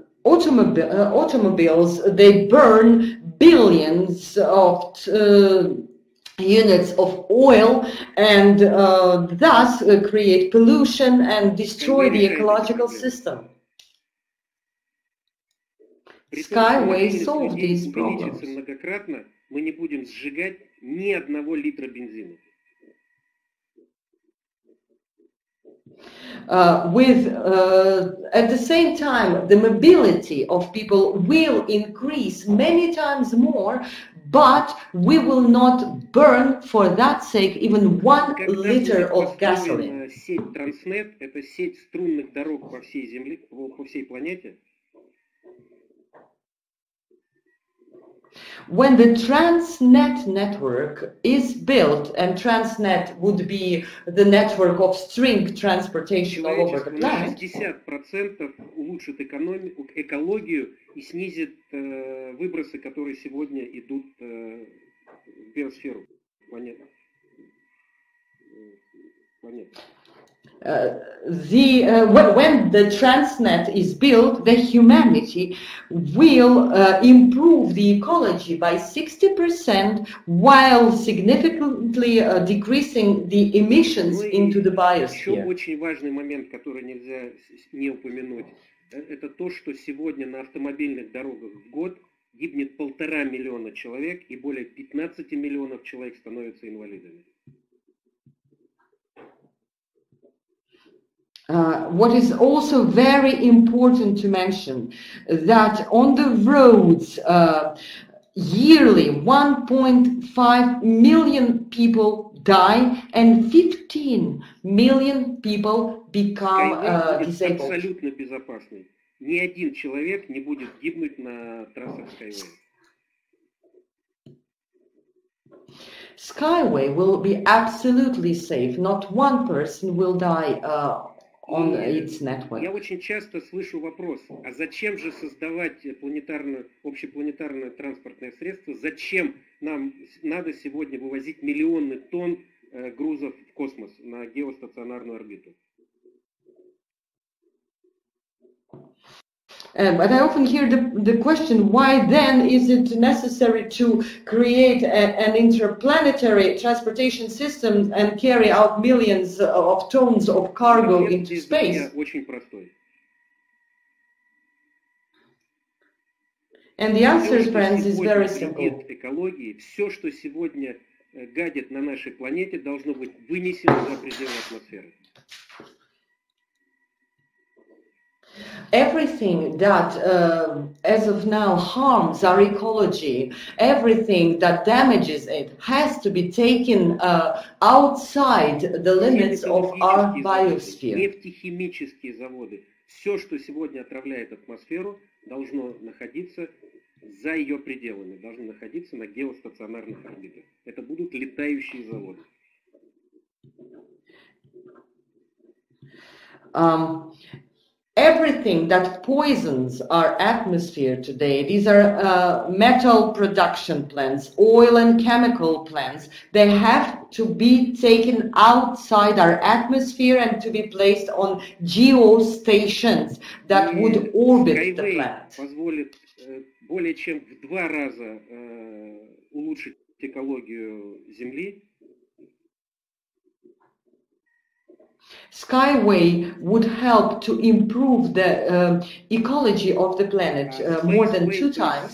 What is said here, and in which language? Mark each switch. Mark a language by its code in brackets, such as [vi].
[en] Automobiles they burn billions of units of oil and thus create pollution and destroy the ecological system. SkyWay solved these problems. [ru] Многократно мы не будем сжигать ни одного литра бензина. [en] At the same time, the mobility of people will increase many times more. But we will not burn for that sake even one liter of gasoline. [ru] Сеть Транснет – это сеть струнных дорог по всей земле, по всей планете. [en] When the Transnet network is built, and Transnet would be the network of string transportation all over the planet. [ru] 60% улучшит экологию и снизит выбросы, которые сегодня идут в биосферу планеты. [en] When the Transnet is built, the humanity will improve the ecology by 60% while significantly decreasing the emissions into the biosphere. [ru] Еще очень важный момент, который нельзя не упомянуть, это то, что сегодня на автомобильных дорогах в год гибнет 1.5 миллиона человек и более 15 миллионов человек становятся инвалидами. [en] What is also very important to mention that on the roads yearly 1.5 million people die and 15 million people become disabled. [ru] Абсолютно безопасный. Ни один человек не будет гибнуть на трассах SkyWay. [en] SkyWay will be absolutely safe. Not one person will die on its network. [ru] Я очень часто слышу вопрос, а зачем же создавать планетарное, общепланетарное транспортное средство? Зачем нам надо сегодня вывозить миллионы тонн грузов в космос на геостационарную орбиту? [en] But I often hear the question, why then is it necessary to create an interplanetary transportation system and carry out millions of tons of cargo into space? And the answer, friends, is very simple. [ru] Экологии, все, что сегодня гадит на нашей планете, должно быть вынесено за пределы атмосферы. [en] Everything that as of now harms our ecology, everything that damages it has to be taken outside the limits of our biosphere. [ru] Нефтехимические заводы, все, что сегодня отравляет атмосферу, должно находиться за ее пределами, должно находиться на геостационарных орбитах. Это будут летающие заводы. [en] Everything that poisons our atmosphere today, these are metal production plants, oil and chemical plants, they have to be taken outside our atmosphere and to be placed on geostations that would orbit the planet. [ru] позволит более чем в два раза улучшить экологию Земли. [en] SkyWay would help to improve the ecology of the planet more than two times.